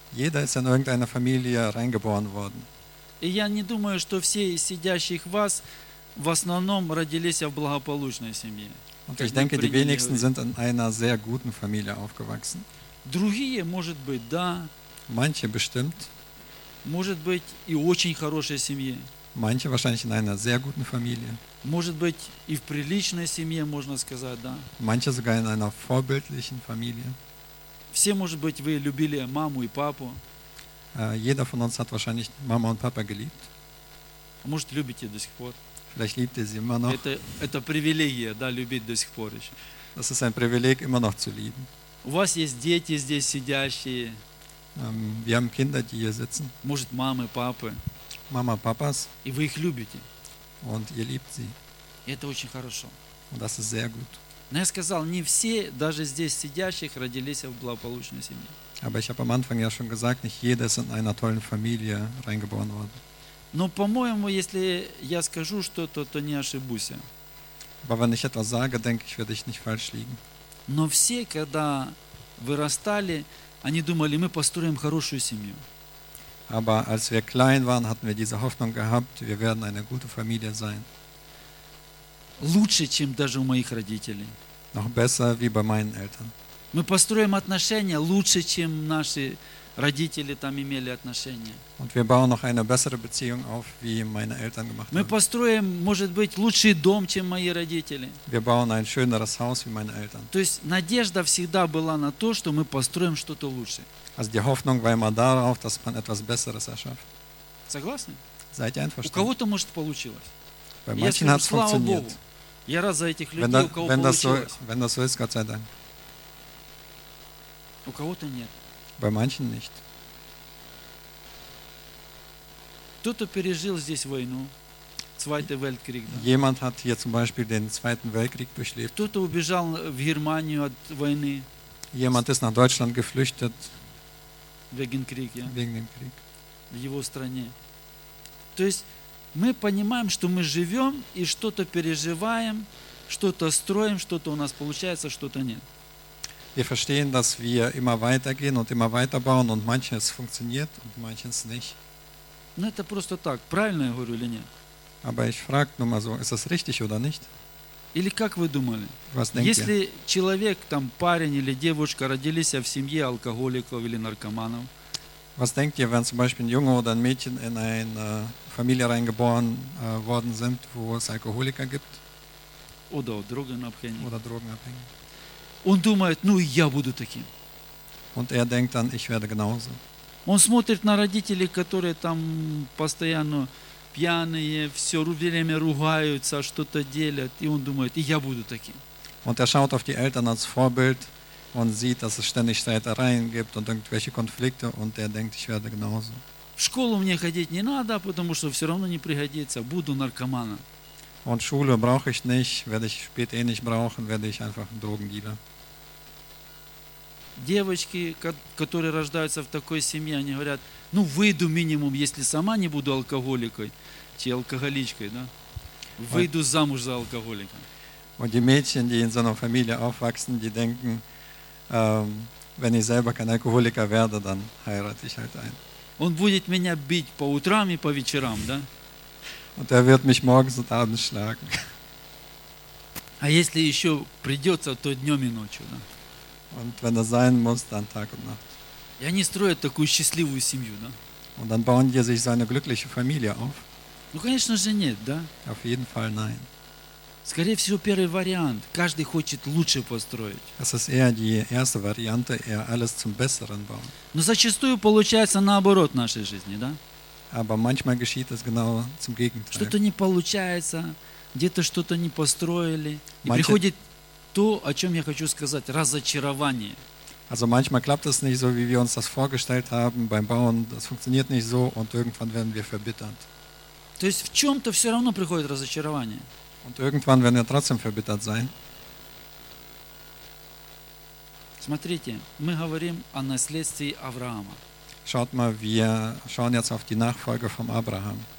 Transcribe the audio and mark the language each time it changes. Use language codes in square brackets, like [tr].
[de] Jeder ist in irgendeiner Familie reingeboren worden. [ru] И я не думаю, что все из сидящих вас в основном родились в благополучной семье. [de] Und ich denke, die wenigsten sind in einer sehr guten Familie aufgewachsen. [ru] Другие, может быть, да. [de] Manche bestimmt. [ru] Может быть, и очень хорошей семье. [de] Manche wahrscheinlich in einer sehr guten Familie. [ru] Может быть, и в приличной семье, можно сказать, да. [de] Manche sogar in einer vorbildlichen Familie. [ru] Все, может быть, вы любили маму и папу. [de] Jeder von uns hat wahrscheinlich Mama und Papa geliebt. [ru] Может, любите до сих пор. [de] Vielleicht liebt ihr sie immer noch. [ru] Это привилегия, да, любить до сих пор еще. [de] Das ist ein Privileg, immer noch zu lieben. [ru] У вас есть дети здесь сидящие. [de] Wir haben Kinder, die hier sitzen. [ru] Может, мамы, папы. [de] Mama, Papas. [ru] И вы их любите. [de] Und ihr liebt sie. [ru] И это очень хорошо. [de] Und das ist sehr gut. [ru] Но я сказал, не все, даже здесь сидящих, родились в благополучной семье. [de] Aber ich habe am Anfang ja schon gesagt, nicht jeder ist in einer tollen Familie reingeboren worden. [ru] Но, по-моему, если я скажу что-то, то не ошибусь. [de] Aber wenn ich etwas sage, denke ich, werde ich nicht falsch liegen. [ru] Но все, когда вырастали, они думали, мы построим хорошую семью. [de] Aber als wir klein waren, hatten wir diese Hoffnung gehabt, wir werden eine gute Familie sein. [ru] Лучше, чем даже у моих родителей. [de] Noch besser wie bei meinen Eltern. [ru] Мы построим отношения лучше, чем наши родители там имели отношения. [de] Und wir bauen noch eine bessere Beziehung auf, wie meine Eltern gemacht haben. [ru] Мы построим, может быть, лучший дом, чем мои родители. [de] Wir bauen ein schöneres Haus wie meine Eltern. [ru] То есть надежда всегда была на то, что мы построим что-то лучше. [de] Also die Hoffnung war immer darauf, dass man etwas Besseres erschafft. [ru] Согласны? [de] Seid ihr einverstanden? [ru] У кого-то может получилось. [de] Bei manchen hat es funktioniert. [ru] Я рад за этих людей, у кого получилось. [de] Wenn das so ist, Gott sei Dank. [ru] У кого-то нет. [de] Bei manchen nicht. [ru] Кто-то пережил здесь войну, [de] Zweiter Weltkrieg. [ru] Да. [de] Jemand hat hier zum Beispiel den Zweiten Weltkrieg durchlebt. [ru] Кто-то убежал в Германию от войны. [de] Jemand ist nach Deutschland geflüchtet. Wegen Krieg, ja. Wegen dem Krieg. [ru] В его стране. То есть мы понимаем, что мы живем и что-то переживаем, что-то строим, что-то у нас получается, что-то нет. [de] Wir verstehen, dass wir immer weitergehen und immer weiterbauen und manches funktioniert und manches nicht. [ru] Ну это просто так, правильно я говорю или нет? [de] Aber ich frage nur mal so, ist das richtig oder nicht? [ru] Или как вы думали? [de] Was denkt [ru] если [de] ihr? [ru] Человек, там парень или девушка родились в семье алкоголиков или наркоманов? [de] Was denkt ihr, wenn zum Beispiel ein Junge oder ein Mädchen in eine Familie reingeboren worden sind, wo es Alkoholiker gibt? Oder Drogenabhängige. Oder Drogenabhängige. [ru] Он думает, ну и я буду таким. [de] Und er denkt dann, ich werde genauso. [ru] Он смотрит на родителей, которые там постоянно пьяные, все время ругаются, что-то делят, и он думает, и я буду таким. [de] Und er schaut auf die Eltern als Vorbild und sieht, dass es ständig Streitereien gibt und irgendwelche Konflikte und er denkt, ich werde genauso. [ru] В школу мне ходить не надо, потому что все равно не пригодится, буду наркоманом. [de] Und Schule brauche ich nicht, werde ich später eh nicht brauchen, werde ich einfach ein Drogendealer. [ru] Девочки, которые рождаются в такой семье, они говорят, ну выйду минимум, если сама не буду алкоголикой, чьей алкоголичкой, да? Выйду замуж за алкоголика. [de] Und die Mädchen, die in so einer Familie aufwachsen, die denken, wenn ich selber kein Alkoholiker werde, dann heirate ich halt ein. [ru] Он будет меня бить по утрам и по вечерам, да? [de] Und er wird mich morgens und abends schlagen. [ru] А если еще придется, то днем и ночью, да? [de] Und wenn das sein muss, dann Tag und Nacht. [ru] И они строят такую счастливую семью, да? [de] Und dann bauen die sich so eine glückliche Familie auf. [ru] Ну, конечно же, нет, да? [de] Auf jeden Fall nein. [ru] Скорее всего, первый вариант. Каждый хочет лучше построить. [de] Das ist eher die erste Variante, eher alles zum Besseren bauen. [ru] Но зачастую получается наоборот в нашей жизни, да? [de] Aber manchmal geschieht das genau zum Gegenteil. [ru] Что-то не получается, где-то что-то не построили. И приходит то, о чем я хочу сказать, разочарование. [de] Also manchmal klappt das nicht so, wie wir uns das vorgestellt haben beim Bauen. Das funktioniert nicht so und irgendwann werden wir verbittert. [ru] То есть в чем-то все равно приходит разочарование. [de] Und irgendwann werden wir trotzdem verbittert sein. [ru] Смотрите, мы говорим о наследстве Авраама. [de] Schaut mal, wir schauen jetzt auf die Nachfolge von Abraham.